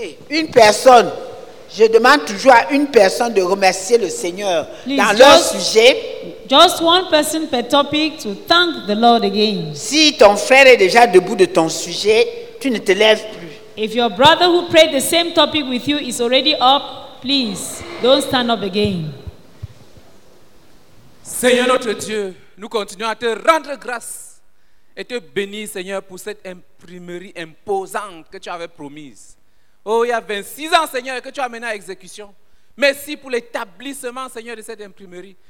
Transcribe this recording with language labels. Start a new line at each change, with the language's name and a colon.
French: Une personne, je demande toujours à une personne de remercier le Seigneur
English: please,
French: dans
English: just,
French: leur sujet.
English: Just one person per topic to thank the Lord again.
French: Si ton frère est déjà debout de ton sujet, tu ne te lèves plus.
English: If your brother who prayed the same topic with you is already up, please don't stand up again.
French: Seigneur notre Dieu, nous continuons à te rendre grâce et te bénir, Seigneur, pour cette imprimerie imposante que tu avais promise. Oh, il y a 26 ans, Seigneur, que tu as mené à exécution. Merci pour l'établissement, Seigneur, de cette imprimerie.